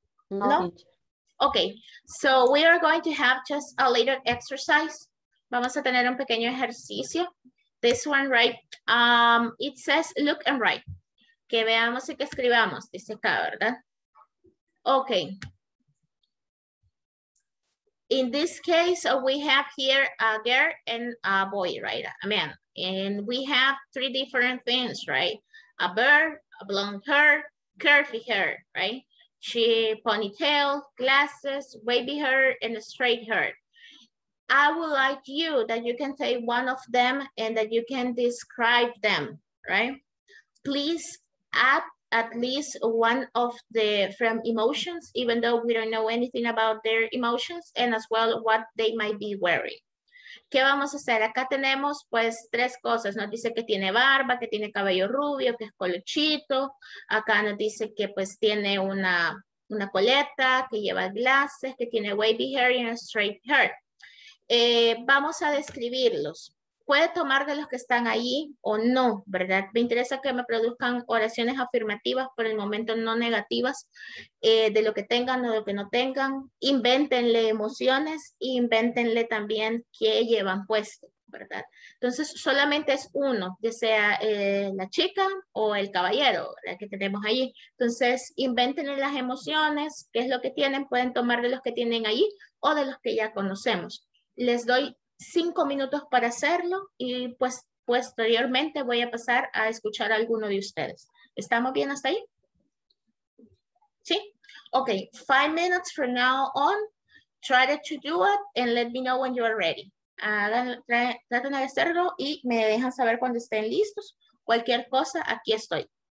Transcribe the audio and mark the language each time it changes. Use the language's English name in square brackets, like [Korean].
[English] No. Okay, so we are going to have just a little exercise. [Spanish] Vamos a tener un pequeño ejercicio. [English] This one, right? It says look and write. [Spanish] Que veamos y que escribamos, dice acá, ¿verdad? [English] Okay. In this case, we have here a girl and a boy, right? A man. And we have three different things, right? A bird, a blonde hair, curvy hair, right? She ponytail, glasses, wavy hair, and a straight hair. I would like you that you can take one of them and that you can describe them, right? Please add at least one of the from emotions, even though we don't know anything about their emotions, and as well what they might be wearing. [Spanish] ¿Qué vamos a hacer? Acá tenemos pues tres cosas. Nos dice que tiene barba, que tiene cabello rubio, que es colochito. Acá nos dice que pues tiene una coleta, que lleva glasses, que tiene wavy hair y straight hair. Vamos a describirlos. ¿Puede tomar de los que están ahí o no, verdad? Me interesa que me produzcan oraciones afirmativas, por el momento no negativas, de lo que tengan o de lo que no tengan. Invéntenle emociones, invéntenle también qué llevan puesto, ¿verdad? Entonces, solamente es uno, ya sea la chica o el caballero, ¿verdad? Que tenemos ahí. Entonces, invéntenle las emociones, qué es lo que tienen, pueden tomar de los que tienen ahí o de los que ya conocemos. Les doy 5 minutos para hacerlo y pues posteriormente voy a pasar a escuchar a alguno de ustedes. ¿Estamos bien hasta ahí? ¿Sí? [English] Ok, 5 minutes from now on, try to do it and let me know when you are ready. [Spanish] Traten de hacerlo y me dejan saber cuando estén listos. Cualquier cosa, aquí estoy.